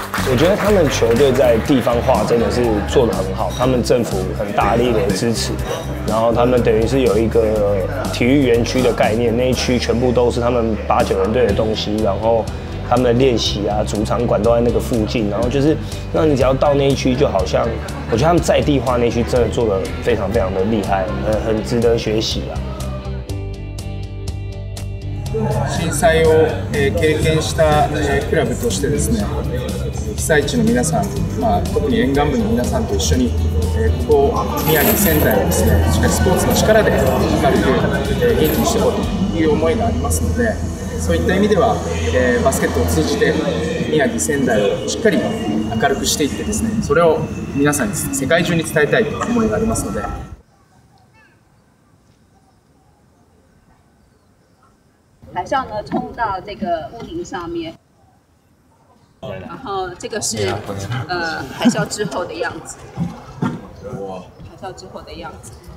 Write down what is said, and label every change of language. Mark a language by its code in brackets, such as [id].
[zh] 我觉得他们球队在地方化真的是做得很好，他们政府很大力的支持，然后他们等于是有一个体育园区的概念，那一区全部都是他们八九人队的东西，然后他们的练习啊、主场馆都在那个附近，然后就是让你只要到那一区，就好像我觉得他们在地化那区真的做得非常非常的厉害，很值得学习啊。 [ja] 震災を経験したクラブとしてですね、被災地の皆さん、まあ、特に沿岸部の皆さんと一緒にここ宮城仙台をですね、しっかりスポーツの力で光って元気にしていこうという思いがありますので、そういった意味ではバスケットを通じて宮城仙台をしっかり明るくしていってですね、それを皆さんに世界中に伝えたいという思いがありますので。 [zh] 台上呢冲到这个屋顶上面，然后这个是海啸之后的样子，海啸之后的样子。